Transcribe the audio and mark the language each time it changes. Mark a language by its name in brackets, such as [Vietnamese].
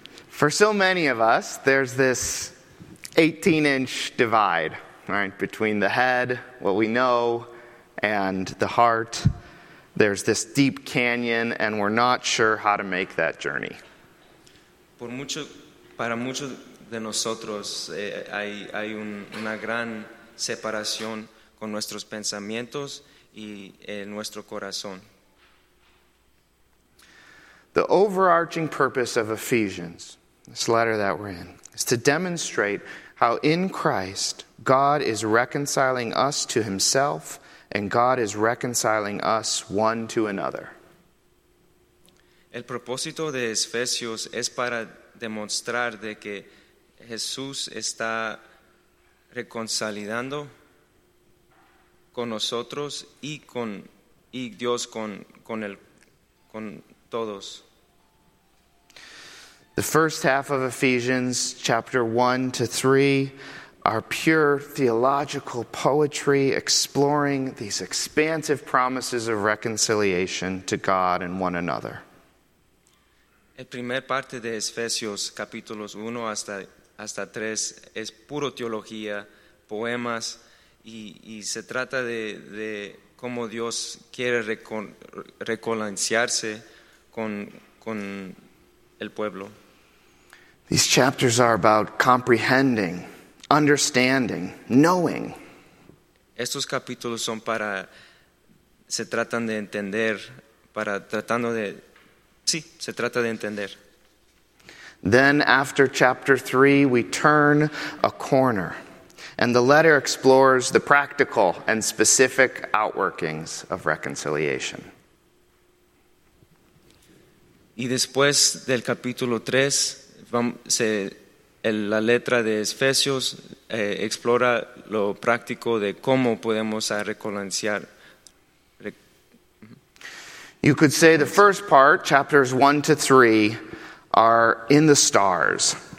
[English] For so many of us, there's this 18-inch divide, right, between the head, what we know, and the heart. There's this deep canyon, and we're not sure how to make that journey. [Spanish] Para muchos de nosotros hay una gran separación con nuestros pensamientos y nuestro corazón. [English] The overarching purpose of Ephesians, this letter that we're in, is to demonstrate how in Christ, God is reconciling us to himself, and God is reconciling us one to another. [Spanish] El propósito de Efesios es para demostrar de que Jesús está reconciliando con nosotros y Dios con todos. [English] The first half of Ephesians, chapter 1 to 3, are pure theological poetry exploring these expansive promises of reconciliation to God and one another. [Spanish] El primer parte de Efesios, capítulos 1 hasta 3, es puro teología poemas y se trata de cómo Dios quiere reconciliarse con el pueblo. [English] These chapters are about comprehending, understanding, knowing. [Spanish] Estos capítulos son para, se tratan de entender, para tratando de, sí, se trata de entender. [English] Then after chapter 3, we turn a corner. And the letter explores the practical and specific outworkings of reconciliation. [Spanish] Y después del capítulo 3, la letra de Efesios explora lo práctico de cómo podemos reconciliar. [English] You could say the first part, chapters 1 to 3, are in the stars.